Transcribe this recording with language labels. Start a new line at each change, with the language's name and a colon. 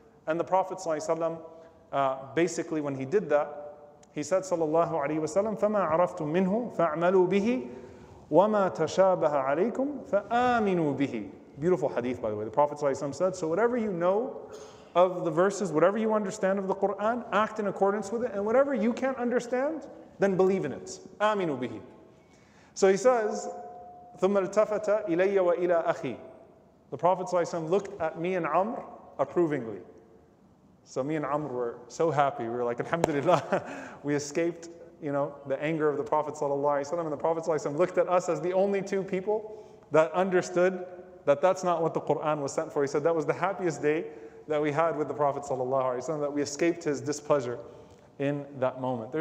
English: And the Prophet ﷺ, basically when he did that, he said, sallallahu alayhi wa sallam,
Arabic: فَمَا عَرَفْتُم مِّنْهُ فَاعْمَلُوا بِهِ وَمَا تَشَابَهَ عَلَيْكُمْ فَآمِنُوا بِهِ.
English: Beautiful hadith, by the way. The Prophet ﷺ said, so whatever you know of the verses, whatever you understand of the Qur'an, act in accordance with it, and whatever you can't understand, then believe in it.
Arabic: آمِنُوا بِهِ.
English: So he says,
Arabic: ثُمَّ الْتَفَتَ إِلَيَّ وَإِلَىٰ أَخِي.
English: The Prophet ﷺ looked at me and Amr approvingly. So me and Amr were so happy. We were like, alhamdulillah, we escaped, you know, the anger of the Prophet ﷺ. And the Prophet ﷺ looked at us as the only two people that understood that that's not what the Qur'an was sent for. He said that was the happiest day that we had with the Prophet ﷺ, that we escaped his displeasure in that moment.